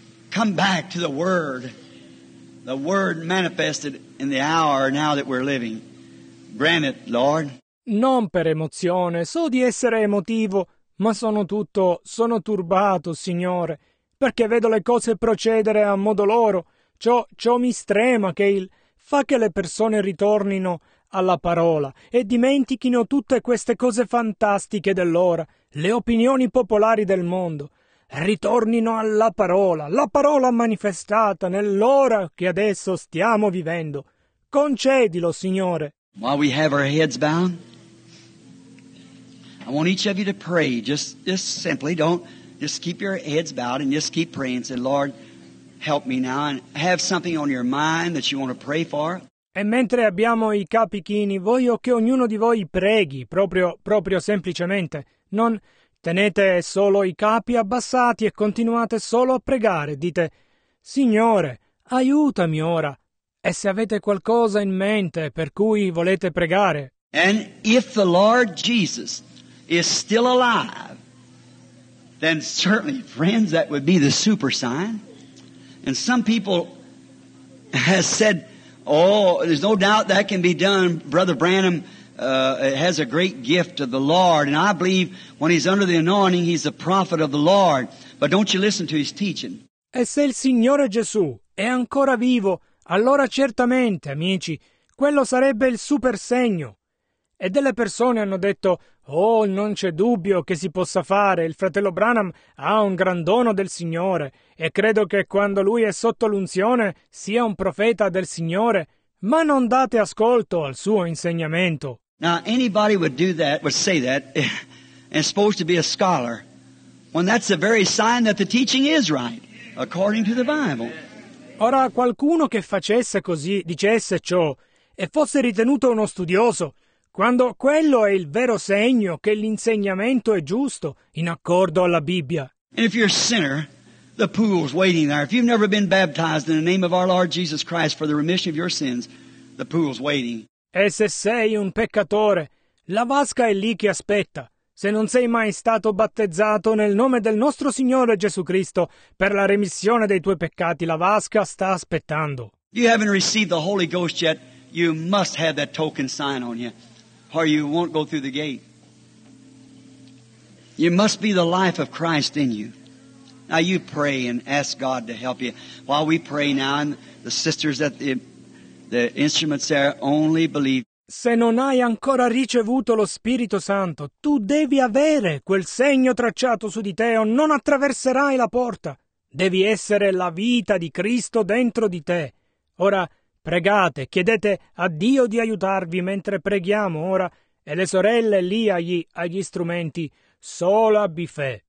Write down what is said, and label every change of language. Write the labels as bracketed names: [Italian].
[English] Come back to the Word manifested in the hour now that we're living. Grant it, Lord. [Italian] Non per emozione, so di essere emotivo, ma sono turbato, Signore, perché vedo le cose procedere a modo loro. Ciò mi strema che il fa che le persone ritornino alla parola e dimentichino tutte queste cose fantastiche dell'ora, le opinioni popolari del mondo. Ritornino alla parola, la parola manifestata nell'ora che adesso stiamo vivendo. Concedilo, Signore. [English] While we have our heads bound, I want each of you to pray. Just simply don't, just keep your heads bowed and just keep praying. Say, Lord, help me now. And have something on your mind that you want to pray for. [Italian] E mentre abbiamo i capi chini, voglio che ognuno di voi preghi, proprio semplicemente. Non tenete solo i capi abbassati e continuate solo a pregare. Dite, Signore, aiutami ora. E se avete qualcosa in mente per cui volete pregare. [English] And if the Lord Jesus is still alive, then certainly, friends, that would be the super sign. And some people have said, oh, there's no doubt that can be done. Brother Branham has a great gift of the Lord. And I believe when he's under the anointing, he's the prophet of the Lord. But don't you listen to his teaching. [Italian] E se il Signore Gesù è ancora vivo, allora certamente, amici, quello sarebbe il super segno. E delle persone hanno detto, oh, non c'è dubbio che si possa fare. Il fratello Branham ha un gran dono del Signore e credo che quando lui è sotto l'unzione sia un profeta del Signore, ma non date ascolto al suo insegnamento. [English] Now, anybody would do that, would say that, and supposed to be a scholar, when that's the very sign that the teaching is right, according to the Bible. [Italian] Ora, qualcuno che facesse così, dicesse ciò, e fosse ritenuto uno studioso, quando quello è il vero segno che l'insegnamento è giusto, in accordo alla Bibbia. [English] And if you're a sinner, the pool's waiting there. If you've never been baptized in the name of our Lord Jesus Christ for the remission of your sins, the pool's waiting. [Italian] E se sei un peccatore, la vasca è lì che aspetta. Se non sei mai stato battezzato nel nome del nostro Signore Gesù Cristo per la remissione dei tuoi peccati, la vasca sta aspettando. [English] You haven't received the Holy Ghost yet. You must have that token sign on you, or you won't go through the gate. You must be the life of Christ in you. Now you pray and ask God to help you. While we pray now, and the sisters at the instruments there, only believe. [Italian] Se non hai ancora ricevuto lo Spirito Santo, tu devi avere quel segno tracciato su di te o non attraverserai la porta. Devi essere la vita di Cristo dentro di te. Ora, pregate, chiedete a Dio di aiutarvi mentre preghiamo ora, e le sorelle lì agli strumenti, solo abbi fe.